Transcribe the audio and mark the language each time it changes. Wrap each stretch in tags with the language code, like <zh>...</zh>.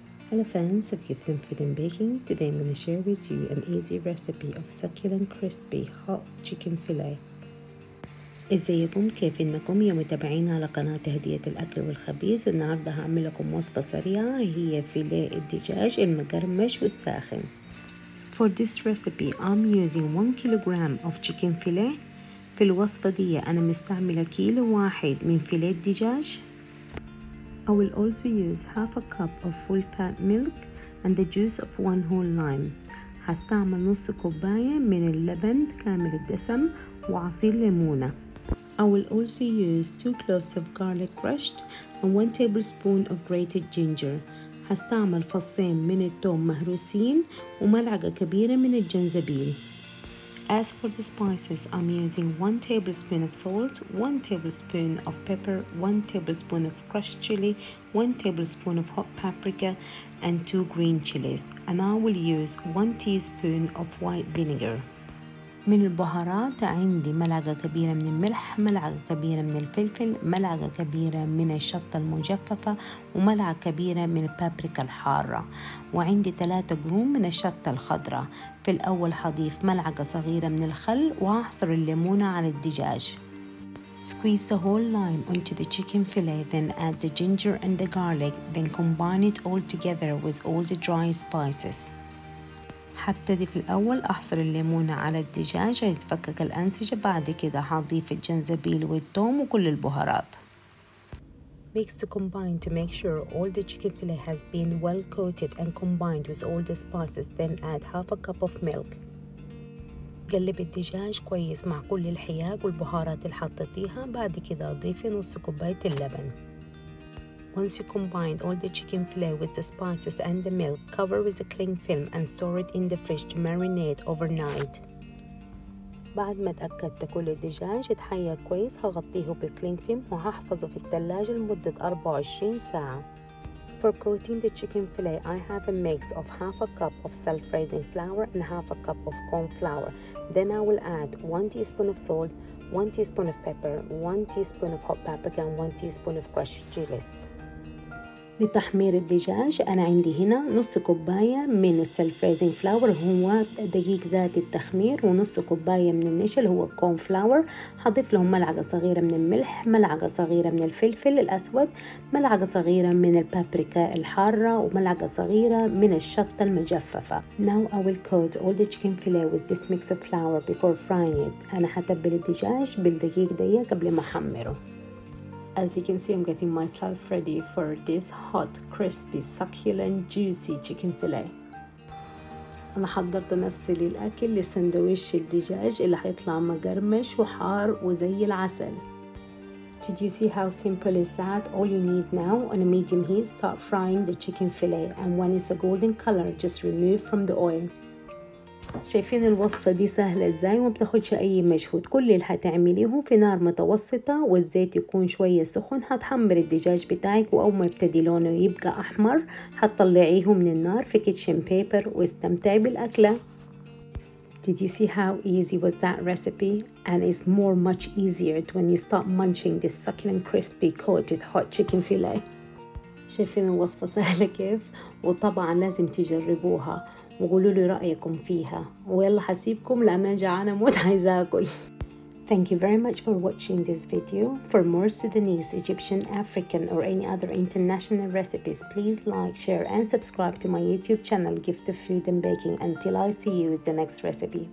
<en>Hello fans of Gift and Food and Baking. Today I'm going to share with you an easy recipe of succulent crispy hot chicken fillet.</en> <ar>ازيكم؟ كيف انكم يا متابعين على قناة هدية الاكل والخبيز؟ النهاردة هعمل لكم وصفة سريعة هي فيليه الدجاج المقرمش والساخن.</ar> <en>For this recipe I'm using 1 kilogram of chicken fillet.</en> <ar>في الوصفة دي انا مستعملة كيلو واحد من فيليه الدجاج.</ar> <en>I will also use half a cup of full fat milk and the juice of one whole lime.</en> <ar>هستعمل نص كوباية من اللبن كامل الدسم وعصير ليمونة.</ar> <en>I will also use 2 cloves of garlic crushed and 1 tablespoon of grated ginger.</en> <ar>هستعمل فصين من الثوم مهروسين وملعقة كبيرة من الجنزبيل.</ar> <en>As for the spices, I'm using 1 tablespoon of salt, 1 tablespoon of pepper, 1 tablespoon of crushed chili, 1 tablespoon of hot paprika, and 2 green chilies. And I will use 1 teaspoon of white vinegar.</en> <ar>من البهارات عندي ملعقة كبيرة من الملح، ملعقة كبيرة من الفلفل، ملعقة كبيرة من الشطة المجففة، وملعقة كبيرة من البابريكا الحارة، وعندي 3 جروم من الشطة الخضراء. في الأول هضيف ملعقة صغيرة من الخل وأعصر الليمونة على الدجاج.</ar> <en>Squeeze the whole lime onto the chicken fillet, then add the ginger and the garlic, then combine it all together with all the dry spices.</en> <ar>هبتدي في الأول أحصر الليمونة على الدجاج هيتفكك الأنسجة، بعد كده هضيف الجنزبيل والثوم وكل البهارات.</ar> <en>Mix to combine to make sure all the chicken fillet has been well coated and combined with all the spices, then add half a cup of milk.</en> <ar>قلب الدجاج كويس مع كل الحياج والبهارات اللي حطيتيها، بعد كده أضيفي نص كوباية اللبن.</ar> <en>Once you combine all the chicken fillet with the spices and the milk, cover with a cling film and store it in the fridge to marinate overnight.</en> <ar>بعد ما اتأكدت كل الدجاج اتحيق كويس هغطيه بكلينج فيلم وهحفظه في الثلاجة لمدة 24 ساعة.</ar> <en>For coating the chicken fillet, I have a mix of half a cup of self-raising flour and half a cup of corn flour. Then I will add 1 teaspoon of salt, 1 teaspoon of pepper, 1 teaspoon of hot paprika, and 1 teaspoon of crushed chilies.</en> <ar>لتحمير الدجاج أنا عندي هنا نص كوباية من السلفريزنج فلاور هو دقيق ذات التخمير، ونص كوباية من النشا اللي هو كورن فلاور. هضيف لهم ملعقة صغيرة من الملح، ملعقة صغيرة من الفلفل الأسود، ملعقة صغيرة من البابريكا الحارة، وملعقة صغيرة من الشطة المجففة.</ar> <en>Now I will coat all the chicken fillet with this mix of flour before frying it.</en> <ar>أنا هتبل الدجاج بالدقيق دي قبل ما أحمره.</ar> <en>As you can see, I'm getting myself ready for this hot, crispy, succulent, juicy chicken fillet.</en> <ar>أنا حضرت نفسي للأكل لسندويش الدجاج اللي هيطلع مقرمش وحار وزي العسل.</ar> <en>Did you see how simple is that? All you need now on a medium heat, start frying the chicken fillet, and when it's a golden color, just remove from the oil.</en> <ar>شايفين الوصفة دي سهلة ازاي وما بتاخدش اي مجهود. كل اللي هتعمليه في نار متوسطة والزيت يكون شوية سخن، هتحمر الدجاج بتاعك، واول ما يبتدي لونه يبقى احمر هتطلعيه من النار في كيتشن بيبر واستمتعي بالاكلة.</ar> <en>Did you see how easy was that recipe? And it's more much easier when you start munching this succulent crispy coated hot chicken fillet.</en> <ar>شايفين الوصفة سهلة كيف؟ وطبعا لازم تجربوها وقولوا لي رأيكم فيها، ويلا هسيبكم لأن أنا جعانة موت عايزة أكل.</ar> <en>Thank you very much for watching this video. For more Sudanese, Egyptian, African or any other international recipes, please like, share and subscribe to my YouTube channel Gift of Food and Baking. Until I see you with the next recipe.</en>